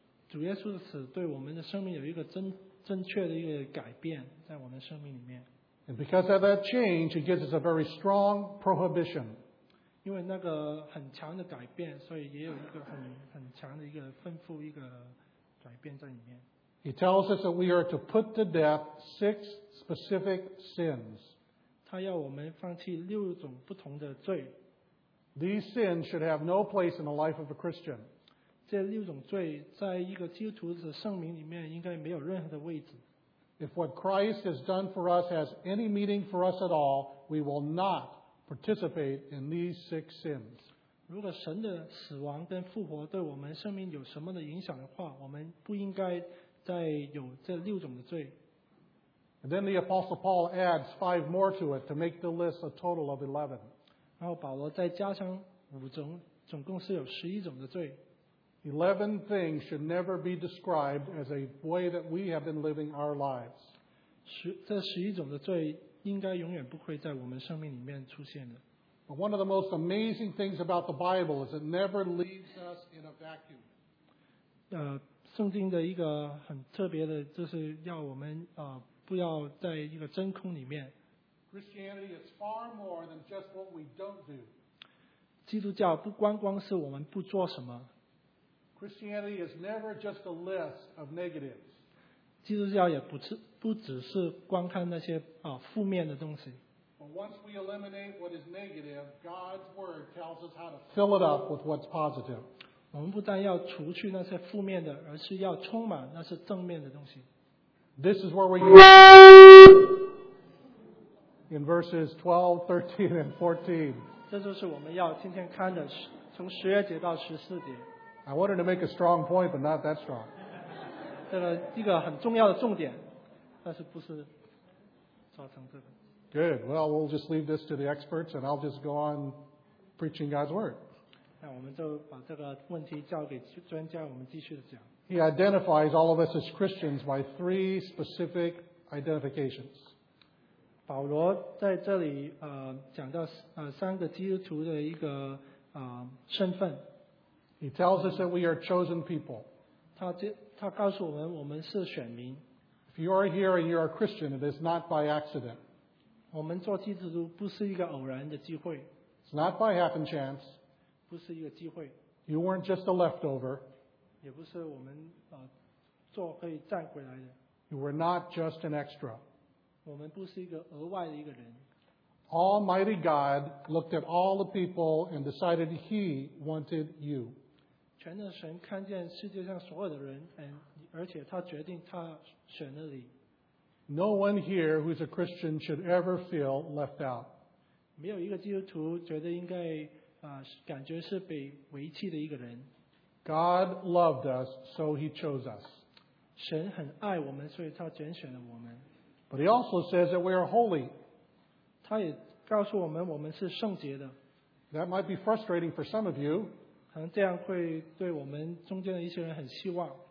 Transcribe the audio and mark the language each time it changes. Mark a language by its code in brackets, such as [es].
[zh] 主耶稣的死对我们的生命有一个正确的一个改变在我们生命里面。 [en] And because of that change, it gives us a very strong prohibition. [zh] 因为那个很强的改变，所以也有一个很强的一个吩咐，一个改变在里面。 [en] He tells us that we are to put to death six specific sins. [zh] 他要我们放弃六种不同的罪。 [en] These sins should have no place in the life of a Christian. [zh] 这六种罪在一个基督徒的圣名里面应该没有任何的位置。 [en] If what Christ has done for us has any meaning for us at all, we will not participate in these six sins. [zh] 如果神的死亡跟复活对我们生命有什么的影响的话，我们不应该再有这六种的罪。 [en] And then the Apostle Paul adds five more to it to make the list a total of 11. [zh] 然后保罗再加上五种，总共是有十一种的罪。 [en] 11 things should never be described as a way that we have been living our lives. [zh] 这十一种的罪应该永远不会在我们生命里面出现的。 [en] But one of the most amazing things about the Bible is it never leaves us in a vacuum. [zh] 圣经的一个很特别的，就是要我们不要在一个真空里面。 [en] Christianity is far more than just what we don't do. [zh] 基督教不光光是我们不做什么。 [en] Christianity is never just a list of negatives. [zh] 基督教也不只是观看那些负面的东西。 [en] But once we eliminate what is negative, God's word tells us how to fill it up with what's positive. [zh] 我们不但要除去那些负面的，而是要充满那些正面的东西。 [en] This is where we get in verses 12, 13, and 14. [zh] 这就是我们要今天看的，从十二节到十四节。 [en] I wanted to make a strong point, but not that strong. [zh] 这个一个很重要的重点，但是不是抓成这个。 [en] Good. Well, we'll just leave this to the experts, and I'll just go on preaching God's word. [zh] 那我们就把这个问题交给专家，我们继续的讲。 [en] He identifies all of us as Christians by three specific identifications. [zh] 保罗在这里讲到三个基督徒的一个身份。 [en] He tells us that we are chosen people. [zh] 他告诉我们，我们是选民。 [en] If you are here and you are a Christian, it is not by accident. [zh] 我们做基督徒不是一个偶然的机会。 [en] It's not by happen chance. [zh] 不是一个机会。 [en] You weren't just a leftover. [zh] 也不是我们做可以站回来的。 [en] You were not just an extra. [zh] 我们不是一个额外的一个人。 [en] Almighty God looked at all the people and decided He wanted you. [zh] 全能神看见世界上所有的人，而且他决定他选了你。 [en] No one here who's a Christian should ever feel left out. [zh] 没有一个基督徒觉得应该感觉是被遗弃的一个人。 [en] God loved us, so He chose us. [zh] 神很爱我们，所以他拣选了我们。 [en] But He also says that we are holy. [zh] 他也告诉我们，我们是圣洁的。 [en] That might be frustrating for some of you. [zh] 可能这样会对我们中间的一些人很失望。